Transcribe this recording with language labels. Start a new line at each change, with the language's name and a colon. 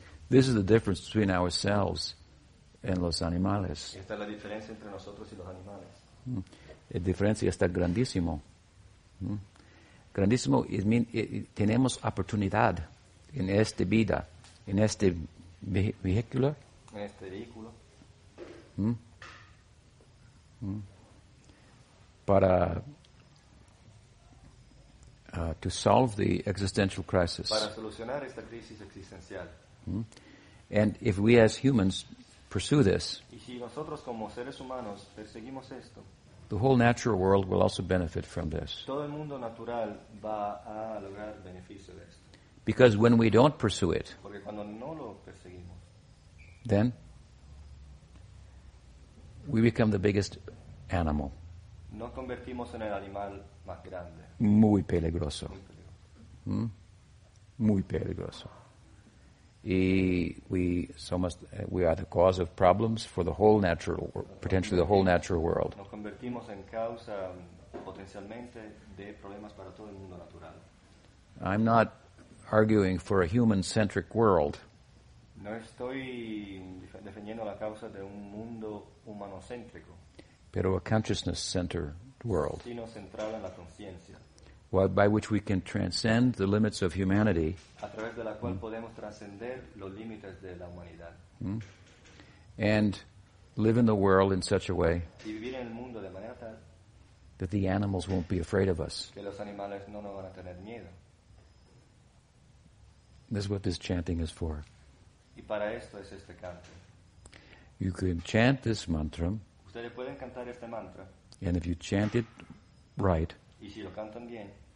English: This is the difference between ourselves and
Spanish: los animales. Esta es la diferencia entre nosotros y los animales. La diferencia está grandísimo. Grandísimo, tenemos oportunidad en esta vida, en este vehículo. En este vehículo.
English: Para to solve the existential crisis.
Spanish: Para solucionar esta crisis existencial.
English: And if we as humans pursue this,
Spanish: y si nosotros como seres humanos perseguimos esto,
English: the whole natural world will also benefit from this.
Spanish: Todo el mundo natural va a lograr beneficio de esto.
English: Because when we don't pursue it,
Spanish: porque cuando no lo perseguimos,
English: then we become the biggest animal.
Spanish: Nos convertimos en el animal más grande. Muy peligroso. Muy peligroso.
English: Y we are the cause of problems for the whole natural world, potentially the whole natural world.
Spanish: Nos convertimos en causa potencialmente de problemas para todo el mundo natural.
English: I'm not arguing for a human-centric world.
Spanish: No estoy defendiendo la causa de un mundo humanocéntrico.
English: Pero a consciousness-centered world.
Spanish: Sino centrado en la conciencia.
English: By which we can transcend the limits of humanity.
Spanish: A través de la cual podemos transcender los límites de la humanidad.
English: And live in the world in such a way.
Spanish: Y vivir en el mundo de manera tal.
English: That the animals won't be afraid of us.
Spanish: Que los animales no nos van a tener miedo.
English: This is what this chanting is for.
Spanish: Y para esto es este canto.
English: You can chant this mantra.
Spanish: Ustedes pueden cantar este mantra.
English: And if you chant it right.
Spanish: Y si lo cantan bien,